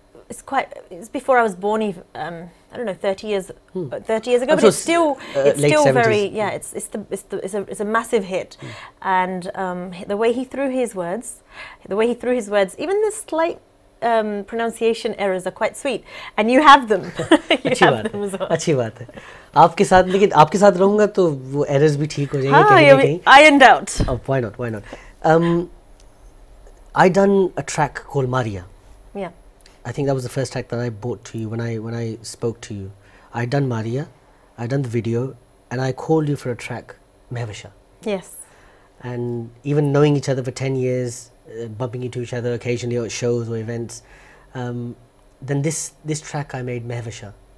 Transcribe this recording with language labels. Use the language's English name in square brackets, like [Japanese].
[English] It's before I was born, even. I don't know, 30 years ago, but it's a massive hit, and the way he threw his words, even the slight pronunciation errors are quite sweet, and you have them. [Hindi] अच्छी बात है. आपके साथ, लेकिन आपके साथ रहूँगा तो वो [English] errors [Hindi] भी ठीक हो जाएंगे कहीं ना कहीं. [English] Ironed out. Oh, why not? Why not? I done a track called Maria. Yeah. I think that was the first track that I brought to you when I spoke to you. I'd done Maria, I'd done the video, and I called you for a track, Mehvisha. Yes. And even knowing each other for 10 years, bumping into each other occasionally at shows or events, then this track I made, Mehvisha.